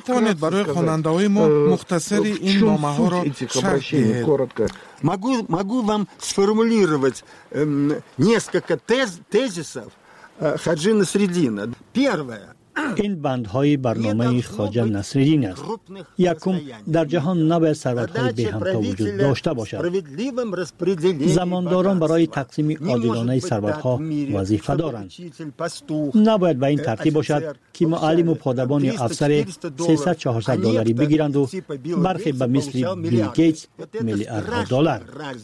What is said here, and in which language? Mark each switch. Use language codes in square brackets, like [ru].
[fa] توانید برای خواننده های ما مختصر این نامه ها را شرح دهید؟ [ru] могу вам сформулировать несколько тезисов Хаджи Насреддина. Первое. [fa] این بندهای برنامه خواجه نصرالدین است. یکم، در جهان نباید ثروت‌های به همتا وجود داشته باشد. زمانداران برای تقسیم عادلانه ثروت‌ها وظیفه دارند. نباید به این ترتیب باشد که معلم و پادبان یا افسر $300-400 دلاری بگیرند و برخی به مثل بیل گیتس میلیاردها دلار.